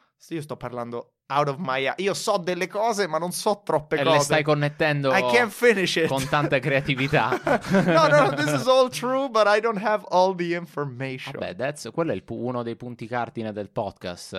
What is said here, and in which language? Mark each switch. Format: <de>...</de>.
<it>Io sto parlando</it> <en>out of my...</en> <it>Io so delle cose, ma non so troppe e cose. E le stai connettendo...</it> <en>I can't finish it.</en> <it>Con tanta creatività.</it> <en>No, this is all true, but I don't have all the information.</en> <it>Vabbè, quello è uno dei punti cardine del podcast.</it>